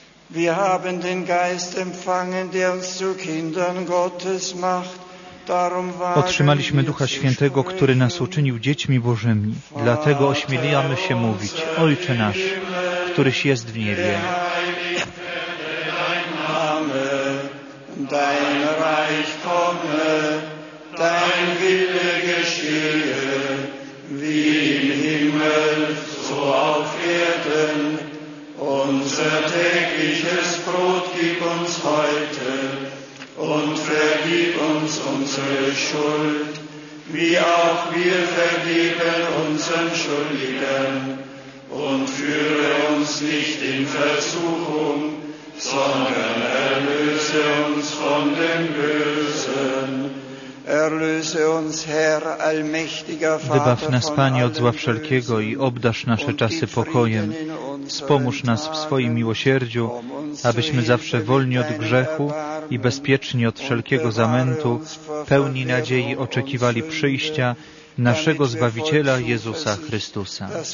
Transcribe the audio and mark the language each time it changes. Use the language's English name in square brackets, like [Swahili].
[German] Wir haben den Geist empfangen, der uns zu Kindern Gottes macht. Darum waren [Polish] otrzymaliśmy Ducha Świętego, który nas uczynił dziećmi Bożymi. Dlatego ośmielamy się mówić: Ojcze nasz, któryś jest w niebie. [German] Dein Name, dein Reich komme, dein Wille geschehe, wie im Himmel, so auf Erden. Unser tägliches Brot gib uns heute und vergib uns unsere Schuld, wie auch wir vergeben unseren Schuldigen. Und führe uns nicht in Versuchung, sondern erlöse uns von dem Bösen. Erlöse uns, Herr, allmächtiger Vater. [Polish] Wybaw nas, Panie, od zła wszelkiego i obdarz nasze czasy pokojem. Wspomóż nas w swoim miłosierdziu, abyśmy zawsze wolni od grzechu i bezpieczni od wszelkiego zamętu, pełni nadziei oczekiwali przyjścia naszego Zbawiciela Jezusa Chrystusa.